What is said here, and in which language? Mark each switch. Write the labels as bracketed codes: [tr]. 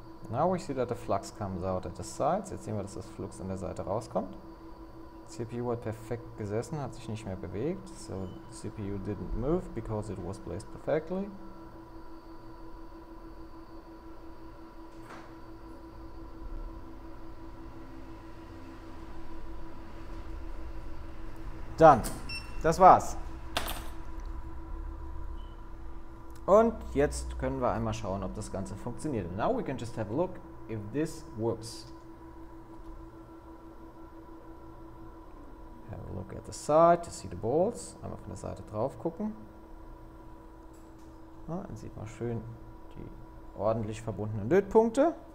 [en] Now we see that the flux comes out at the sides. [de] Jetzt sehen wir, dass das Flux an der Seite rauskommt. CPU hat perfekt gesessen, hat sich nicht mehr bewegt. [en] So CPU didn't move because it was placed perfectly. Done. [de] Das war's. Und jetzt können wir einmal schauen, ob das Ganze funktioniert. [en] Now we can just have a look if this works. Have a look at the side to see the balls. [de] Einmal von der Seite drauf gucken. Ja, dann sieht man schön die ordentlich verbundenen Lötpunkte.